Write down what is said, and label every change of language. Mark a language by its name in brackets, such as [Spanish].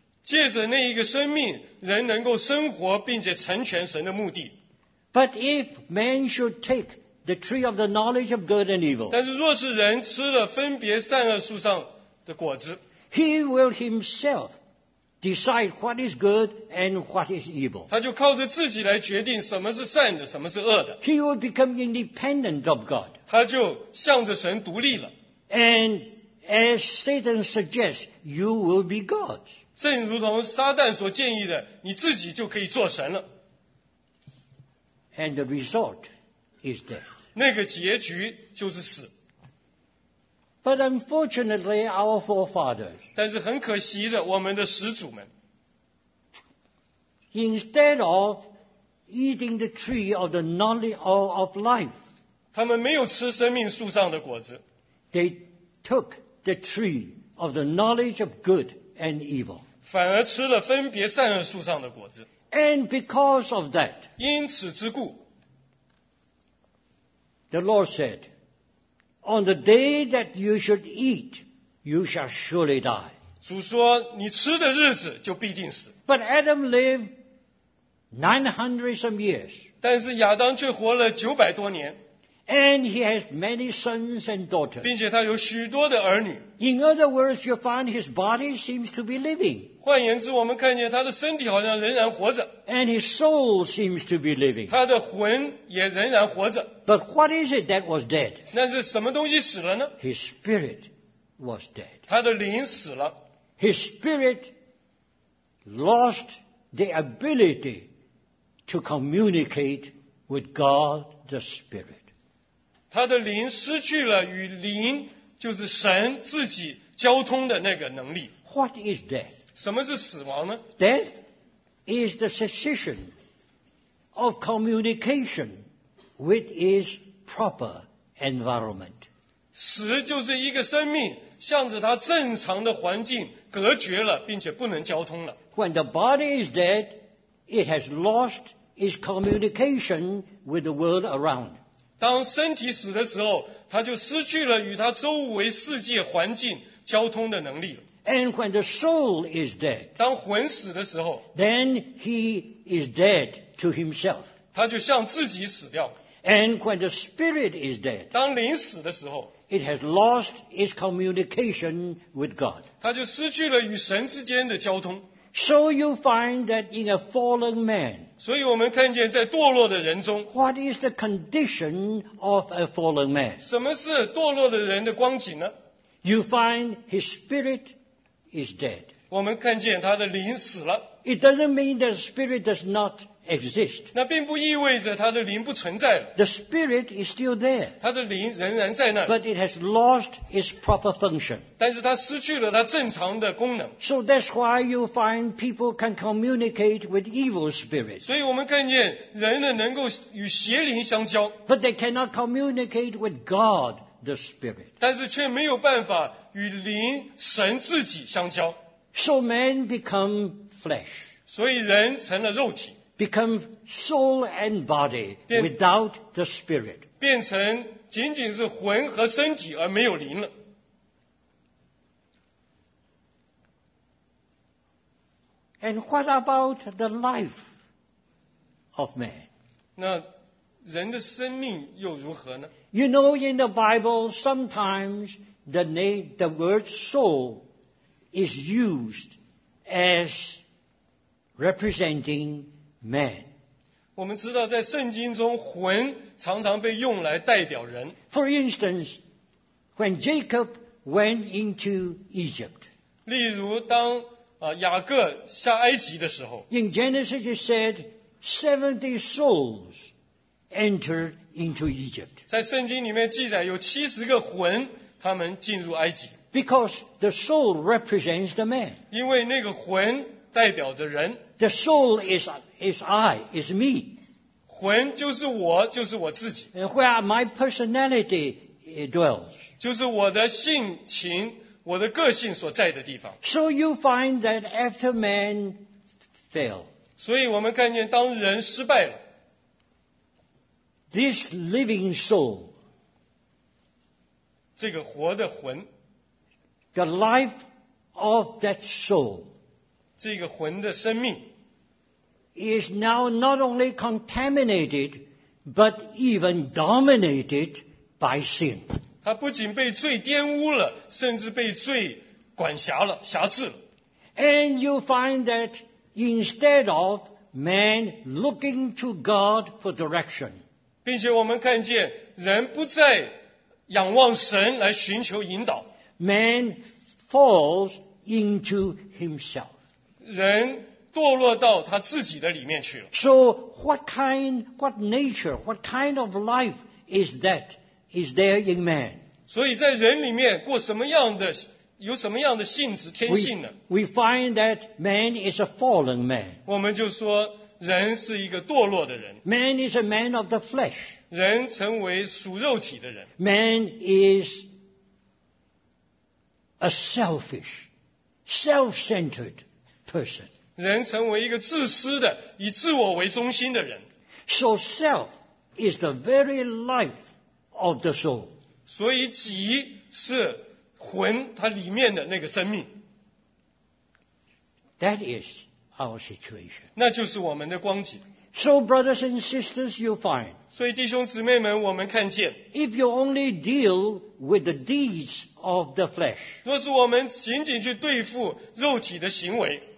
[Chinese] 借着那一个生命，人能够生活并且成全神的目的。 [English] But if man should take the tree of the knowledge of good and evil, [Chinese] 但是若是人吃了分别善恶树上的果子， [English] he will himself decide what is good and what is evil. [Chinese] 他就靠着自己来决定什么是善的，什么是恶的。 [English] He will become independent of God. [Chinese] 他就向着神独立了。 [English] And as Satan suggests, you will be God. [Chinese] 正如同撒旦所建议的，你自己就可以做神了。 [English] And the result is death. [Chinese] 那个结局就是死。 [English] But unfortunately, our forefathers. [Chinese] 但是很可惜的，我们的始祖们。 [English] Instead of eating the tree of the knowledge of life. [Chinese] 他们没有吃生命树上的果子。 [English] They took the tree of the knowledge of good and evil. [Chinese] 反而吃了分别善恶树上的果子。 [English] And because of that, [Chinese] 因此之故, [English] the Lord said, On the day that you should eat, you shall surely die. [Chinese] 主说你吃的日子就必定死。 [English] But Adam lived 900 some years. [Chinese] 但是亚当却活了900多年。 [English] And he has many sons and daughters. [Chinese] 并且他有许多的儿女。 [English] In other words, you find his body seems to be living. [Chinese] 换言之，我们看见他的身体好像仍然活着。 [English] And his soul seems to be living. [Chinese] 他的魂也仍然活着。 [English] But what is it that was dead? [Chinese] 那是什么东西死了呢？ [English] His spirit was dead. [Chinese] 他的灵死了。 [English] His spirit lost the ability to communicate with God the Spirit. [Chinese] 他的灵失去了与灵就是神自己交通的那个能力。 [English] What is death? [Chinese] 什么是死亡呢？ [English] Death is the cessation of communication with its proper environment. [Chinese] 死就是一个生命向着它正常的环境隔绝了并且不能交通了。 [English] When the body is dead, it has lost its communication with the world around. [Chinese] 当身体死的时候，它就失去了与它周围世界环境交通的能力了。 [English] And when the soul is dead, [Chinese] 当魂死的时候， [English] then he is dead to himself. [Chinese] 它就向自己死掉了。 [English] And when the spirit is dead, [Chinese] 当灵死的时候， [English] it has lost its communication with God. [Chinese] 它就失去了与神之间的交通。 [English] So you find that in a fallen man, [Chinese] 所以我们看见在堕落的人中， [English] what is the condition of a fallen man? [Chinese] 什么是堕落的人的光景呢？ [English] You find his spirit is dead. [Chinese] 我们看见他的灵死了。 [English] It doesn't mean that spirit does not exist. [Chinese] 那并不意味着他的灵不存在了。 [English] The spirit is still there. [Chinese] 他的灵仍然在那里。 [English] But it has lost its proper function. [Chinese] 但是他失去了他正常的功能。 [English] So that's why you find people can communicate with evil spirits. [Chinese] 所以我们看见人呢能够与邪灵相交。 [English] But they cannot communicate with God the Spirit. [Chinese] 但是却没有办法与灵神自己相交。 [English] So man become flesh. [Chinese] 所以人成了肉体。 [English] Become soul and body without the spirit. [Chinese] 变成仅仅是魂和身体而没有灵了。 [English] And what about the life of man? [Chinese] 那人的生命又如何呢？ [English] You know, in the Bible, sometimes the word soul is used as representing Man. [Chinese] 我们知道在圣经中魂常常被用来代表人。 [English] For instance, when Jacob went into Egypt. [Chinese] 例如当雅各下埃及的时候。 [English] In Genesis it said, 70 souls entered into Egypt. [Chinese] 在圣经里面记载有70个魂他们进入埃及。 [English] Because the soul represents the man. [Chinese] 因为那个魂代表着人。 [English] The soul is I, is me. [Chinese] 魂就是我，就是我自己。 [English] Where my personality dwells. [Chinese] 就是我的性情，我的个性所在的地方。 [English] So you find that after man fell. [Chinese] 所以我们看见当人失败了。 [English] This living soul. [Chinese] 这个活的魂。 [English] The life of that soul. [Chinese] 这个魂的生命。 [English] Is now not only contaminated, but even dominated by sin. [Chinese] 它不仅被罪玷污了，甚至被罪管辖了，辖制了。 [English] And you find that instead of man looking to God for direction, [Chinese] 并且我们看见人不再仰望神来寻求引导。 [English] Man falls into himself. [Chinese] 人堕落到他自己的里面去了。 [English] So what kind, what nature, what kind of life is that? Is there in man? [Chinese] 所以在人里面过什么样的有什么样的性质天性呢 [English] we find that man is a fallen man. [Chinese] 我们就说人是一个堕落的人 [English] Man is a man of the flesh. [Chinese] 人成为属肉体的人 [English] Man is a selfish, self-centered person. [Chinese] 人成为一个自私的以自我为中心的人 [English] So self is the very life of the soul. [Chinese] 所以己是魂它里面的那个生命 [English] That is our situation. [Chinese] 那就是我们的光景 [English] So brothers and sisters you find [Chinese] 所以弟兄姊妹们我们看见 [English] If you only deal with the deeds of the flesh [Chinese] 若是我们仅仅去对付肉体的行为